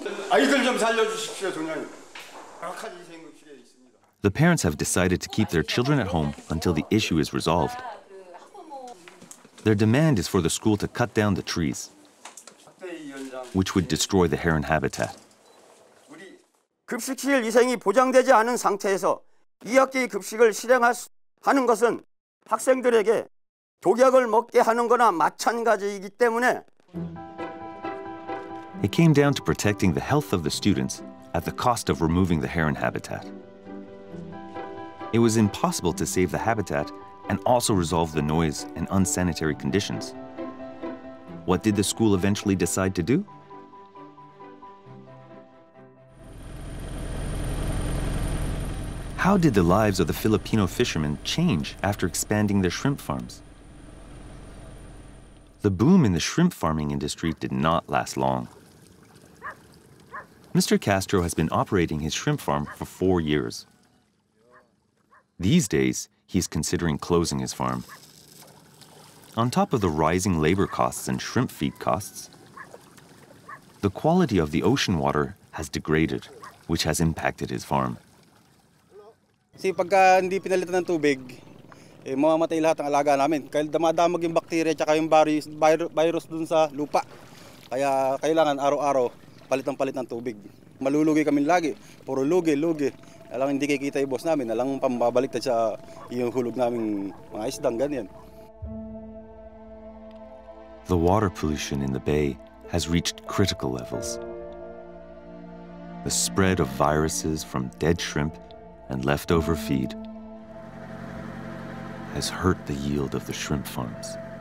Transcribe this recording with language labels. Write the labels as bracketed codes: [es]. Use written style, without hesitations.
[ko] 아이들 좀 살려주십시오, 정장님. 정확하게 생각해 있습니다. [en] The parents have decided to keep their children at home until the issue is resolved. Their demand is for the school to cut down the trees, which would destroy the heron habitat. [ko] 우리 급식실 위생이 보장되지 않은 상태에서 2학기 급식을 실행하는 것은 학생들에게 독약을 먹게 하는 거나 마찬가지이기 때문에 [en] It came down to protecting the health of the students at the cost of removing the heron habitat. It was impossible to save the habitat and also resolve the noise and unsanitary conditions. What did the school eventually decide to do? How did the lives of the Filipino fishermen change after expanding their shrimp farms? The boom in the shrimp farming industry did not last long. Mr. Castro has been operating his shrimp farm for 4 years. These days, he's considering closing his farm. On top of the rising labor costs and shrimp feed costs, the quality of the ocean water has degraded, which has impacted his farm. [tl] Kasi pagka hindi pinalitan ng tubig, eh, mamamatay lahat ng alaga namin. Kaya damadamag yung bakterya at yung virus dun sa lupa. Kaya kailangan araw-araw, palitan-palit ng tubig. Malulugi kami lagi. Puro lugi. Alang hindi kikita yung boss namin. Alang pambabalik na siya yung hulog namin mga isdang, ganyan. [en] The water pollution in the bay has reached critical levels. The spread of viruses from dead shrimp and leftover feed has hurt the yield of the shrimp farms.